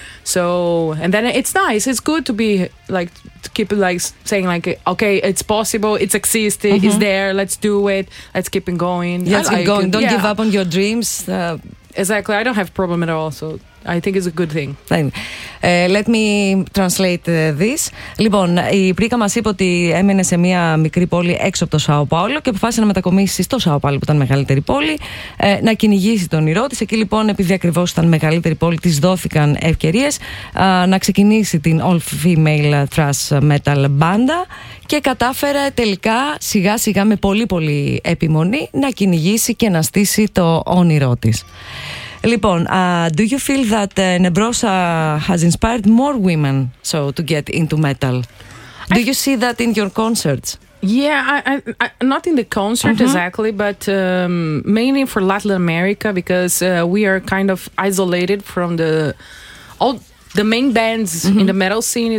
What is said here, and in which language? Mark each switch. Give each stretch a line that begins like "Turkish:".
English: So, and then it's nice. It's good to be like, to keep like saying like, okay, it's possible. It's existed. Mm-hmm. It's there. Let's do it. Let's keep it going. Let's keep going. Don't give up on your dreams. Exactly. I don't have problem at all. So I think it's a good thing. Let me translate this.
Greek: Λοιπόν, η Πρίκα μας είπε ότι έμενε σε μια μικρή πόλη έξω από το Σάο Πάολο και αποφάσισε να μετακομίσει στο Σάο Πάολο, που ήταν μεγαλύτερη πόλη, να κυνηγήσει τον ήρωα της. Εκεί λοιπόν, επειδή ακριβώς ήταν μεγαλύτερη πόλη, της δόθηκαν ευκαιρίες να ξεκινήσει την
English: all female thrash metal
Greek: μπάντα και κατάφερε τελικά σιγά σιγά με πολύ πολύ επιμονή να κυνηγήσει και να στήσει το όνειρό της. Λοιπόν,
English: do you feel that Nebrosa has inspired more women so to get into metal? Do you see that in your concerts? Yeah, I not in the concert exactly, but mainly for Latin America, because we are kind of isolated from the main bands in the metal scene.